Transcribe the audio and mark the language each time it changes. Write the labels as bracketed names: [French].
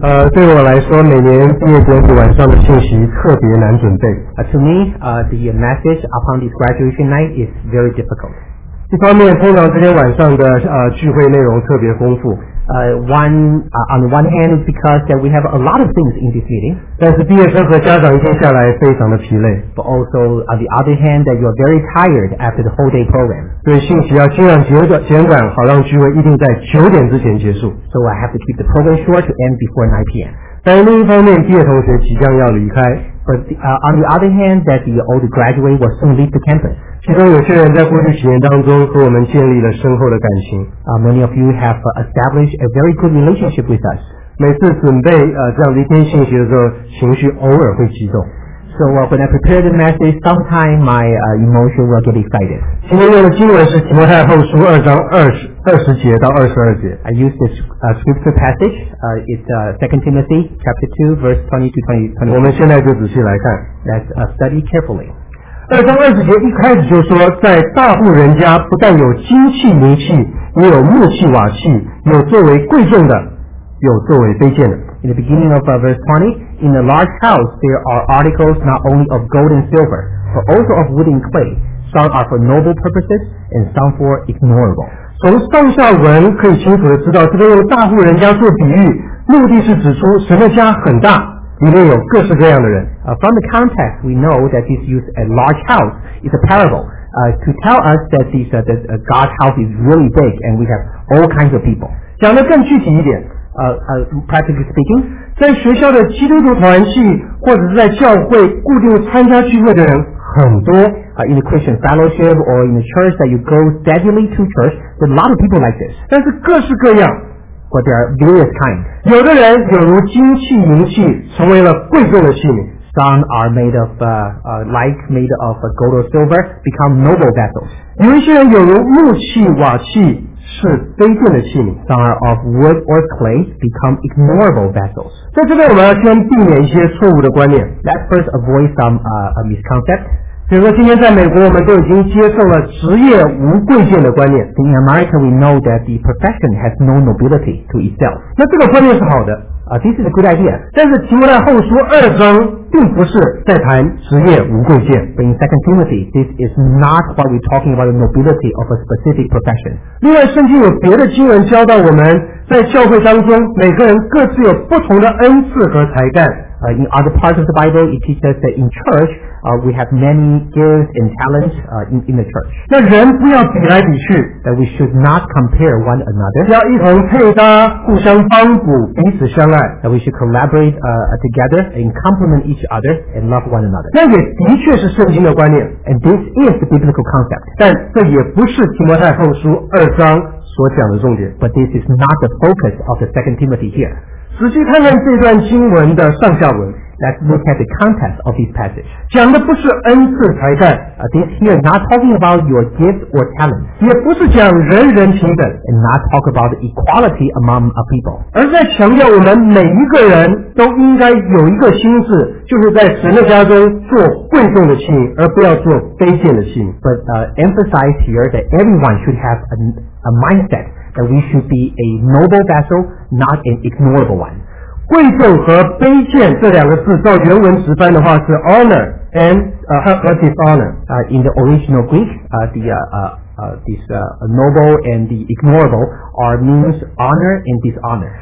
[Chinese] 对我来说，每年毕业典礼晚上的信息特别难准备。 [English] To me, the message upon this graduation night is very difficult. [Chinese] 一方面，通常这些晚上的聚会内容特别丰富。 [English] On the one hand, because that we have a lot of things in this meeting. [Chinese] 但是毕业生和家长一天下来非常的疲累。 [English] But also on the other hand, that you are very tired after the whole day program. [Chinese] 对信息要尽量简短，好让聚会一定在九点之前结束。 [English] So I have to keep the program short to end before 9 p.m. [Chinese] 但另一方面，毕业同学即将要离开。 [English] But on the other hand, that the old graduate will soon leave the campus. [Chinese] 其中有些人在过去几年当中和我们建立了深厚的感情。 [English] Many of you have established a very good relationship with us. [Chinese] 每次准备这样的一篇信息的时候，情绪偶尔会激动。 [English] So when I prepare the message, sometimes my emotion will get excited. [Chinese] 今天用的经文是提摩太后书二章二十节到二十二节。 [English] I use this scripture passage. It's 2 Timothy chapter 2 verse 22-23. [Chinese] 我们现在就仔细来看。 [English] Let's study carefully. [Chinese] 二章二十节一开始就说，在大户人家不但有金器、银器，也有木器、瓦器，有作为贵重的，有作为卑贱的。 [English] In the beginning of verse 20, in the large house there are articles not only of gold and silver, but also of wood and clay. Some are for noble purposes, and some for ignoble. [Chinese] 从上下文可以清楚的知道，这边用大户人家做比喻，目的是指出什么家很大。里面有各式各样的人。 [English] From the context, we know that this use a large house is a parable to tell us that God's house is really big and we have all kinds of people. [Chinese] 讲得更具体一点。 [English] Practically speaking, [Chinese] 在学校的基督徒团契或者是在教会固定参加聚会的人很多。 [English] In the Christian fellowship or in the church that you go steadily to church, there are a lot of people like this. [Chinese] 但是各式各样。 [English] But there are various kinds. [Chinese] 有的人有如金器银器，成为了贵重的器皿。 [English] Some are made of gold or silver, become noble vessels. [Chinese] 有一些人有如木器瓦器，是卑贱的器皿 [English] ，that are of wood or clay become ignorable vessels。 [Chinese] 在这边我们要先避免一些错误的观念 [English] ，let's first avoid some misconcept。 [Chinese] 比如说今天在美国我们都已经接受了职业无贵贱的观念 [English] ，in America we know that the profession has no nobility to itself。 [Chinese] 那这个观念是好的。 [English] This is a good idea. [Chinese] 但是提摩太后书二章并不是在谈职业无贵贱。 [English] But in 2 Timothy, this is not what we're talking about the nobility of a specific profession. [Chinese] 另外圣经有别的经文教导我们在教会当中每个人各自有不同的恩赐和才干。 [English] In other parts of the Bible, it teaches that in church, we have many gifts and talents in the church. [Chinese] 那人不要比来比去 [English] That we should not compare one another. [Chinese] 要一同配搭，互相帮补，彼此相爱 [English] That we should collaborate together and complement each other and love one another. [Chinese] 那也的确是圣经的观念 [English] And this is the biblical concept. [Chinese] 但这也不是提摩太后书二章所讲的重点 [English] But this is not the focus of the 2 Timothy here. [Chinese] 仔细看看这段经文的上下文 [English] Let's look at the context of this passage [Chinese] 讲的不是恩赐才干 [English] This here not talking about your gifts or talents [Chinese] 也不是讲人人平等 [English] And not talk about equality among a people [Chinese] 而在强调我们每一个人都应该有一个心智就是在神的家中做贵重的器皿而不要做卑贱的器皿 [English] But emphasize here that everyone should have a mindsetThat we should be a noble vessel, not an ignorable one. [Chinese] 贵重和卑贱这两个字，照原文直翻的话是 [English] honor and dishonor. In the original Greek, this noble and the ignorable are means honor and dishonor.